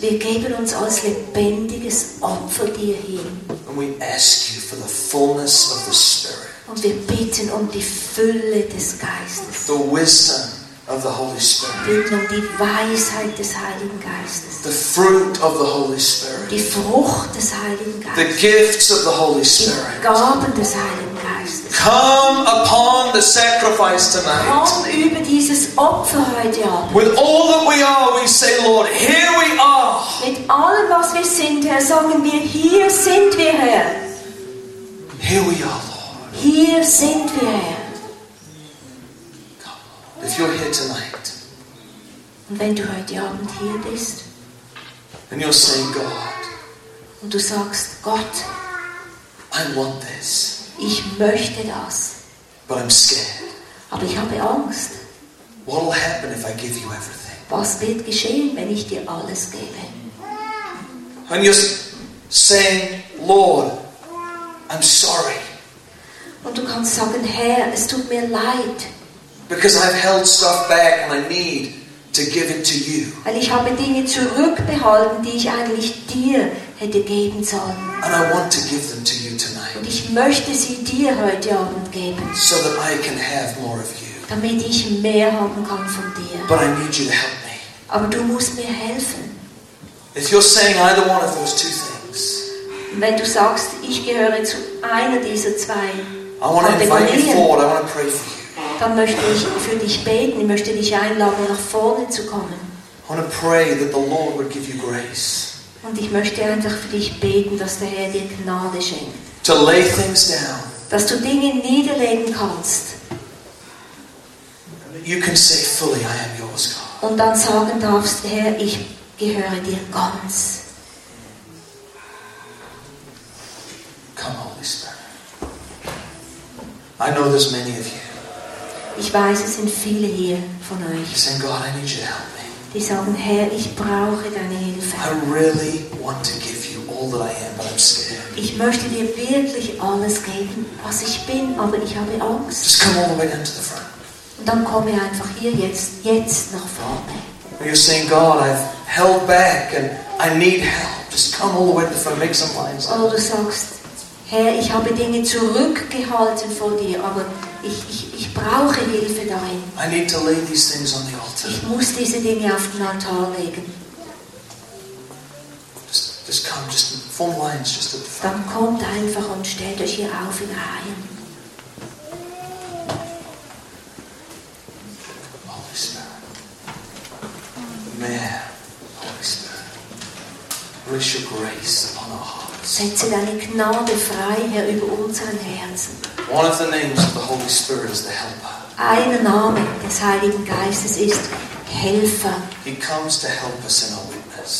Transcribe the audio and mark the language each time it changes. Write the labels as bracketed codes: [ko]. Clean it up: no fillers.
[de] Wir geben uns als lebendiges Opfer dir hin. [en] And we ask you for the fullness of the Spirit. [de] Und wir bitten um die Fülle des Geistes. [en] The wisdom of the Holy Spirit. [de] Wir bitten um die Weisheit des Heiligen Geistes. [en] The fruit of the Holy Spirit. [de] Die Frucht des Heiligen Geistes. [en] The gifts of the Holy Spirit. [de] Die Gaben des Heiligen Geistes. [en] Come upon the sacrifice tonight. [de] Komm über dieses Opfer heute ab. [en] With all that we are, we say, Lord, here we are. [de] Mit allem, was wir sind, Herr, sagen wir, hier sind wir, Herr. [en] Here we are, Lord. [de] Hier sind wir. [en] If you're here tonight, [de] und wenn du heute Abend hier bist, [en] and you're saying, God, [de] und du sagst, Gott, [en] I want this, [de] ich möchte das, [en] but I'm scared. [de] Aber ich habe Angst. [en] What will happen if I give you everything? [de] Was wird geschehen, wenn ich dir alles gebe? [en] And you're saying, Lord, I'm sorry. [de] Und du kannst sagen, Herr, es tut mir leid. [en] Because I've held stuff back and I need to give it to you. [de] Weil ich habe Dinge zurückbehalten, die ich eigentlich dir hätte geben sollen. [en] And I want to give them to you tonight. [de] Und ich möchte sie dir heute Abend geben. [en] So that I can have more of you. [de] Damit ich mehr haben kann von dir. [en] But I need you to help me. [de] Aber du musst mir helfen. [en] If you're saying either one of those two things. [de] Wenn du sagst, ich gehöre zu einer dieser zwei. [en] I want to invite you forward. I want to pray for you. [de] Dann möchte ich für dich beten. Ich möchte dich einladen, nach vorne zu kommen. [en] I want to pray that the Lord would give you grace. [de] Und ich möchte einfach für dich beten, dass der Herr dir Gnade schenkt. [en] To lay things down. [de] Dass du Dinge niederlegen kannst. [en] you can say fully, I am yours, God. [de] Und dann sagen darfst, Herr, ich gehöre dir ganz. [en] Come, Holy Spirit. I know there's many of you. [de] Ich weiß, es sind viele hier von euch. [en] You're saying, God, I need you to help me. [de] Die sagen, Herr, ich brauche deine Hilfe. [en] I really want to give you all that I am, but I'm scared. [de] Ich möchte dir wirklich alles geben, was ich bin, aber ich habe Angst. [en] Just come all the way down to the front. [de] Und dann komme einfach hier jetzt nach vorne. [en] Or you're saying, God, I've held back and I need help. Just come all the way to the front, make some lines. [de] Oder du sagst, Herr, ich habe Dinge zurückgehalten vor dir, aber ich brauche Hilfe darin. [en] I need to lay these things on the altar. [de] Ich muss diese Dinge auf den Altar legen. [en] Just come, just form lines, just at the front. [de] Dann kommt einfach und stellt euch hier auf in Reihen. [en] Holy Spirit. Mehr, Holy Spirit. Release your grace upon our hearts. [de] Setze deine Gnade frei, Herr, über unseren Herzen. [en] One of the names of the Holy Spirit is the Helper. [de] Ein Name des Heiligen Geistes ist Helfer. [en] He comes to help us in our weakness.